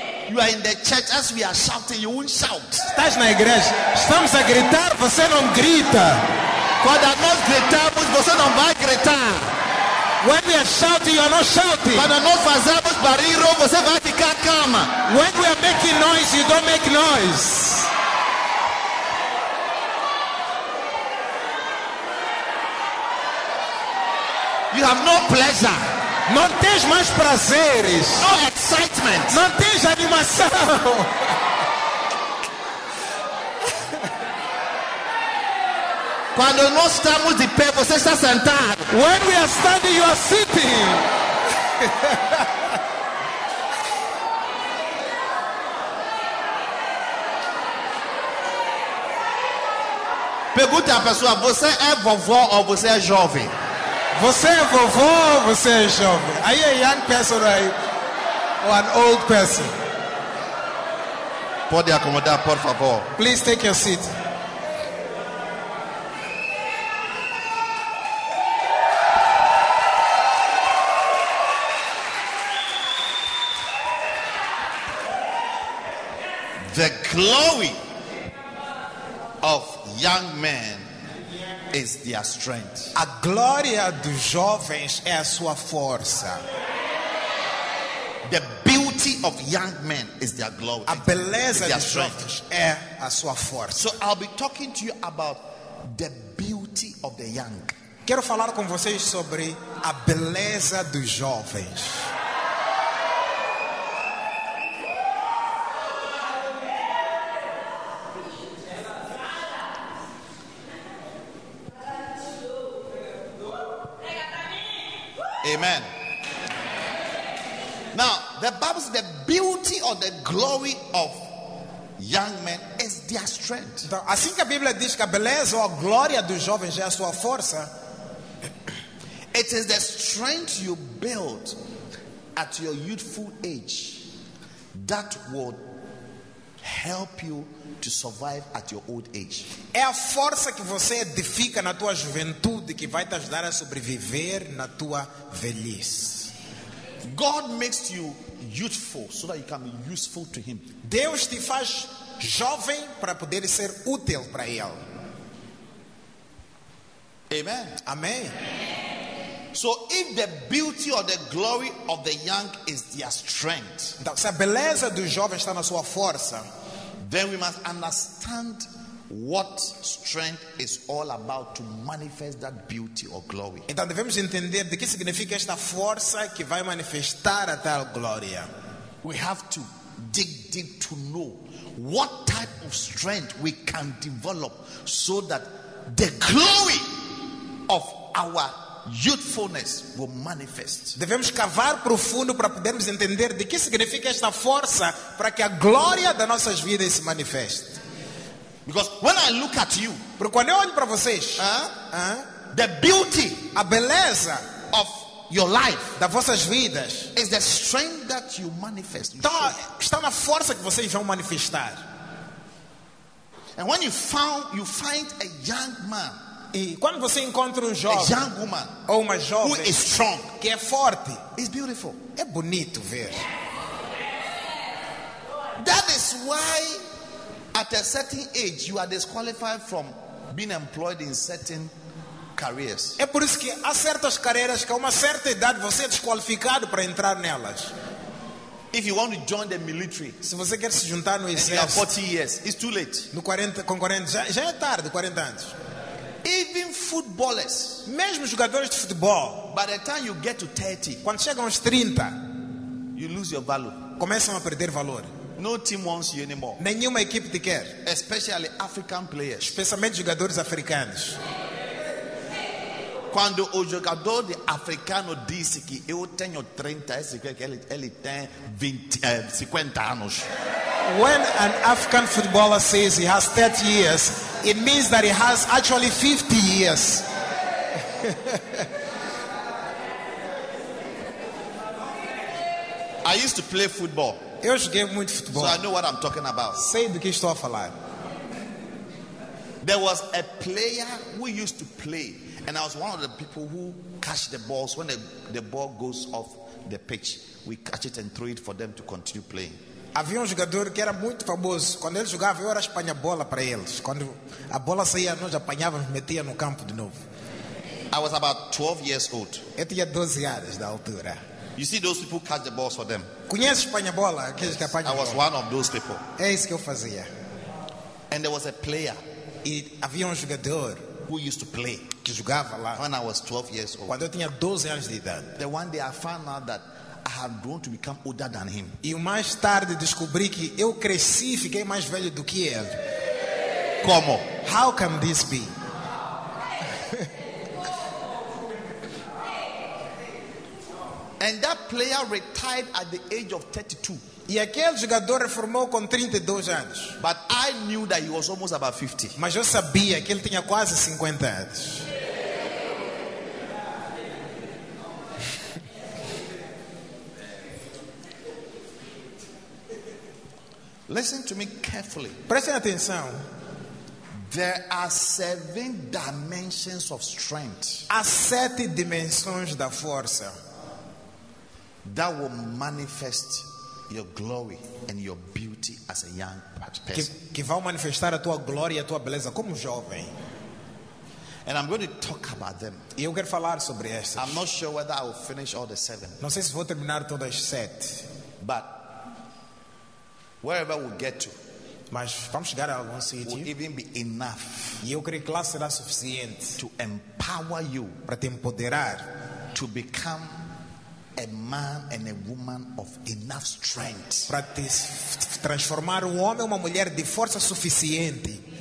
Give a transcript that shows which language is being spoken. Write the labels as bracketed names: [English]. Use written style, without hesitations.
[English] You are in the church as we are shouting, you won't shout. [Portuguese] Estás na igreja. Estamos a gritar, você não grita. Quando nós gritamos, você não vai gritar. [English] When we are shouting, you are not shouting. [Portuguese] Quando nós fazemos barulho, você vai ficar calma. [English] When we are making noise, you don't make noise. You have no pleasure. [Portuguese] Não tens mais prazeres. [English] No excitement. [Portuguese] Não tens animação. Quando nós estamos de pé, você está sentado. [English] When we are standing, you are sitting. Yeah. [Portuguese] Pergunte à pessoa: você é vovó ou você é jovem? Você é vovô ou você é jovem? [English] Are you a young person or an old person? [Portuguese] Pode acomodar, por favor. [English] Please take your seat. The glory of young men is their strength. [Portuguese] A glória dos jovens é a sua força. [English] The beauty of young men is their glory. [Portuguese] A beleza dos jovens é a sua força. [English] So I'll be talking to you about the beauty of the young. [Portuguese] Quero falar com vocês sobre a beleza dos jovens. [English] Amen. Now, the Bible says the beauty or the glory of young men is their strength. [Portuguese] Então, assim que a Bíblia diz que a beleza ou a glória dos jovens é a sua força, [English] it is the strength you build at your youthful age that will help you to survive at your old age. [Portuguese] É a força que você edifica na tua juventude que vai te ajudar a sobreviver na tua velhice. [English] God makes you youthful so that you can be useful to him. [Portuguese] Deus te faz jovem para poder ser útil para ele. [English] Amen. [Portuguese] Amém. [English] So if the beauty or the glory of the young is their strength. [Portuguese] Então, se a beleza do jovem está na sua força, [English] then we must understand what strength is all about to manifest that beauty or glory. [Portuguese] Então devemos entender de que significa esta força que vai manifestar a tal glória. [English] We have to dig deep to know what type of strength we can develop so that the glory of our youthfulness will manifest. [Portuguese] Devemos cavar profundo para podermos entender de que significa esta força para que a glória das nossas vidas se manifeste. [English] Because when I look at you, [Portuguese] porque quando eu olho para vocês, [English] the beauty, [Portuguese] a beleza [English] of your life, [Portuguese] das vossas vidas, [English] is the strength that you manifest. [Portuguese] Está na força que vocês vão manifestar. [English] And when you find a young man. [Portuguese] E quando você encontra um jovem, [English] a young woman, [Portuguese] ou uma jovem, [English] who is strong, [Portuguese] que é forte, [English] is beautiful, [Portuguese] é bonito ver. [English] That is why at a certain age you are disqualified from being employed in certain careers. [Portuguese] É por isso que há certas carreiras que a uma certa idade você é desqualificado para entrar nelas. [English] If you want to join the military, [Portuguese] se você quer se juntar no exército, [English] and you are 40 years, it's too late. [Portuguese] No 40, com 40, já é tarde, 40 anos. [English] Even footballers, [Portuguese] mesmo jogadores de futebol, [English] by the time you get to 30, [Portuguese] quando chegam aos 30, [English] you lose your value, [Portuguese] começam a perder valor. [English] No team wants you anymore, [Portuguese] nenhuma equipe te quer, [English] especially African players, [Portuguese] especialmente jogadores africanos. Quando o jogador de africano disse que eu tenho 30, ele tem 50 anos. [English] When an African footballer says he has 30 years, it means that he has actually 50 years. I used to play football. [Portuguese] Eu joguei muito futebol. [English] So I know what I'm talking about. [Portuguese] Sei do que estou a falar. [English] There was a player who used to play, and I was one of the people who catch the balls when the ball goes off the pitch. We catch it and throw it for them to continue playing. [Portuguese] Havia um jogador que era muito famoso. Quando ele jogava, eu era espanha-bola para eles. Quando a bola saía, nós apanhávamos e metia no campo de novo. [English] I was about 12 years old. [Portuguese] Eu tinha 12 anos da altura. [English] You see those people catch the balls for them? [Portuguese] Conhece espanha-bola, aqueles que apanham? [English] I was one of those people. [Portuguese] É isso que eu fazia. [English] And there was a player. [Portuguese] E havia um jogador [English] who used to play, [Portuguese] que jogava lá. [English] When I was 12 years old. [Portuguese] Quando eu tinha 12 anos de idade. [English] The one day I found out that I have grown to become older than him. [Portuguese] E mais tarde descobri que eu cresci e fiquei mais velho do que ele. Como? [English] How can this be? Wow. And that player retired at the age of 32. [Portuguese] E aquele jogador reformou com 32 anos. [English] But I knew that he was almost about 50. [Portuguese] Mas eu sabia que ele tinha quase 50 anos. [English] Listen to me carefully. [Portuguese] Prestem atenção. [English] There are 7 dimensions of strength. [Portuguese] Há 7 dimensões da força. [English] That will manifest your glory and your beauty as a young person. [Portuguese] Que vão manifestar a tua glória e a tua beleza como jovem. [English] And I'm going to talk about them. [Portuguese] E eu quero falar sobre estas. [English] I'm not sure whether I will finish all the 7. [Portuguese] Não sei se vou terminar todas as 7. [English] But wherever we get to, [Portuguese] mas vamos chegar a algum sítio, [English] will even be enough. [Portuguese] E eu creio que lá será suficiente [English] to empower you, [Portuguese] para te empoderar, [English] to become a man and a woman of enough strength, [Portuguese] para te transformar um homem ou uma mulher de força suficiente,